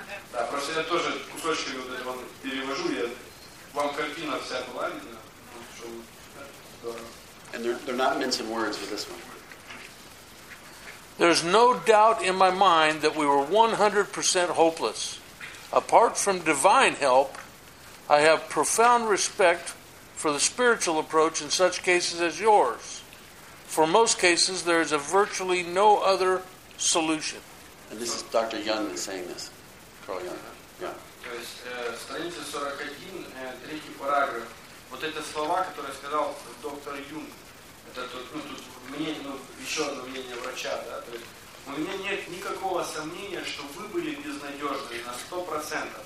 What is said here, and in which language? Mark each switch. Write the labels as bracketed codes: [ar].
[ru] Да, просто я тоже кусочки вот это вам перевожу, я вам картина вся была видна. [en] And they're not mincing words with this one. There's no doubt in my mind that we were 100% hopeless. Apart from divine help, I have profound respect for the spiritual approach in such cases as yours. For most cases, there is a virtually no other solution. And this is Dr. Young is saying this. Carl Young. [ru] То есть, страница 41, третий параграф. Вот это слова, которые сказал доктор Юнг. Это тут, ну, тут мнение, ну, еще одно мнение врача, да. То есть, у меня нет никакого сомнения, что вы были безнадежны на 100%.